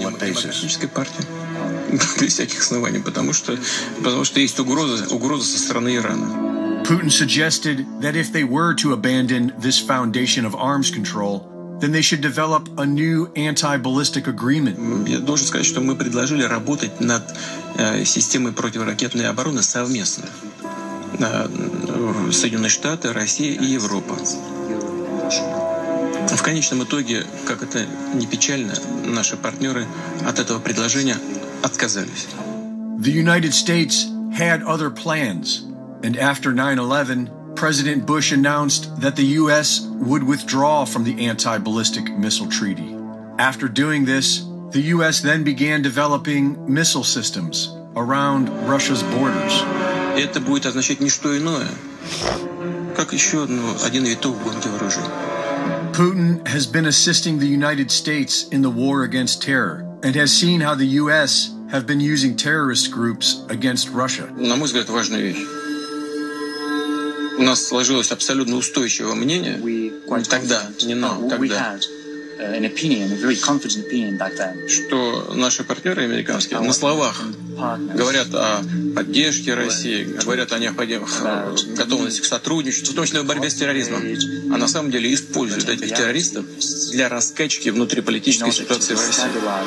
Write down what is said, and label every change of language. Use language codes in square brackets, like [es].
[ru] демократической партии. При всяких оснований, потому что есть угроза со стороны Ирана. [en] Putin suggested that if they were to abandon this foundation of arms control, then they should develop a new anti-ballistic agreement. [ru] Я должен сказать, что мы предложили работать над системой противоракетной обороны совместно. Соединенные Штаты, Россия и Европа. В конечном итоге, как это ни печально, наши партнеры от этого предложения отказались. [en] The United States had other plans, and after 9/11, President Bush announced that the U.S. would withdraw from the anti-ballistic missile treaty. After doing this, the U.S. then began developing missile systems around Russia's borders. [ru] Это будет означать не что иное, как еще один виток гонки вооружений. [en] Putin has been assisting the United States in the war against terror and has seen how the U.S. have been using terrorist groups against Russia. [ru] На мой взгляд, важная вещь. У нас сложилось абсолютно устойчивое мнение. [en] An opinion, a very confident opinion back then. [ru] Что наши партнеры американские на словах говорят о поддержке России, говорят о необходимости готовности к сотрудничеству, в том числе в борьбе с терроризмом, а на самом деле используют этих террористов для раскачки внутриполитической ситуации в России.